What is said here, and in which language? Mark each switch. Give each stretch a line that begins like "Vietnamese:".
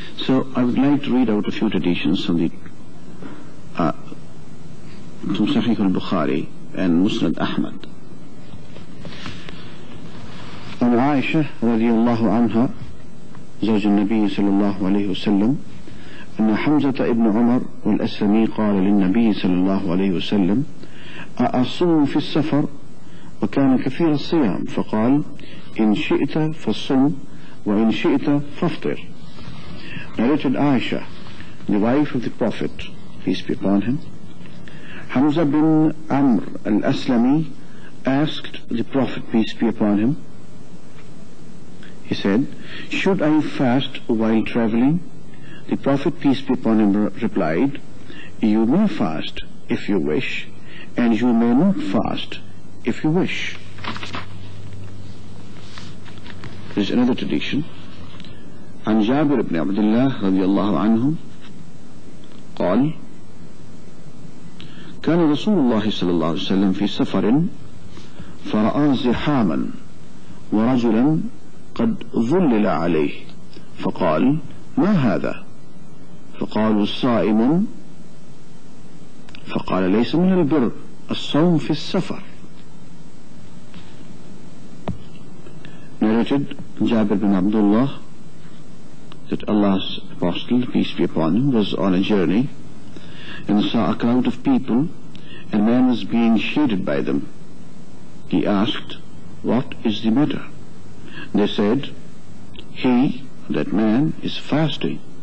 English: So I would like to read out a few traditions from the from Sahih al-Bukhari and Musnad Ahmad.
Arabic: عن عائشة رضي الله عنها زوج النبي صلى الله عليه وسلم أن حمزة ابن عمر والأسلمي قال للنبي صلى الله عليه وسلم أأصوم في السفر وكان كثير الصيام فقال إن شئت فصم وإن شئت فافطر.
English: Narrated Aisha, the wife of the Prophet, peace be upon him, Hamza bin Amr al-Aslami asked the Prophet, peace be upon him, he said, should I fast while traveling? The Prophet, peace be upon him, replied, you may fast if you wish, and you may not fast if you wish. There is another tradition.
Arabic: عن جابر بن عبد الله رضي الله عنه قال كان رسول الله صلى الله عليه وسلم في سفر فرأى زحاما ورجلا قد ظلل عليه فقال ما هذا فقال الصائم فقال ليس من البر الصوم في السفر.
English: Narrated Jabir bin Abdullah that Allah's Apostle, peace be upon him, was on a journey and saw a crowd of people and man was being shaded by them. He asked, what is the matter? They said, he, that man, is fasting.